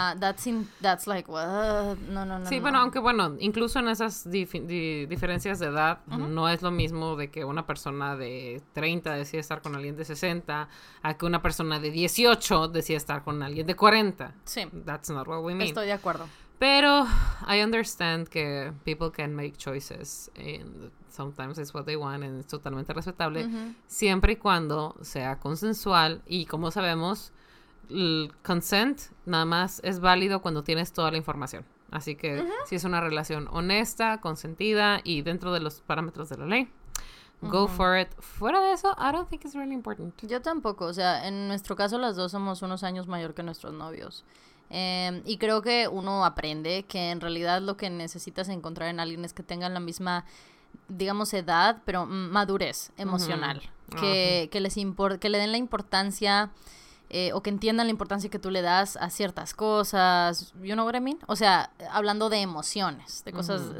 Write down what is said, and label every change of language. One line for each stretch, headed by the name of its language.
Spanish: así, ¿no?
English: Ajá, that's like, what? No.
Spanish: Sí, no. Bueno, aunque bueno, incluso en esas diferencias de edad, uh-huh. no es lo mismo de que una persona de 30 decida estar con alguien de 60 a que una persona de 18 decida estar con alguien de 40. Sí.
English: That's not what we mean.
Spanish: Estoy de acuerdo.
English: Pero I understand que people can make choices and sometimes it's what they want and it's
Spanish: totalmente respetable,
English: mm-hmm.
Spanish: siempre y cuando sea consensual y como sabemos, el consent nada más es válido cuando tienes toda la información. Así que mm-hmm. si es una relación honesta, consentida y dentro de los parámetros de la ley, mm-hmm.
English: go for it.
Spanish: Fuera de eso,
English: I don't think it's really important.
Spanish: Yo tampoco, o sea, en nuestro caso las dos somos unos años mayor que nuestros novios. Y creo que uno aprende que en realidad lo que necesitas encontrar en alguien es que tengan la misma, digamos, edad, pero madurez emocional, uh-huh. Que, uh-huh. Que le den la importancia o que entiendan la importancia que tú le das a ciertas cosas,
English: you know what I mean?
Spanish: O sea, hablando de emociones, de cosas uh-huh.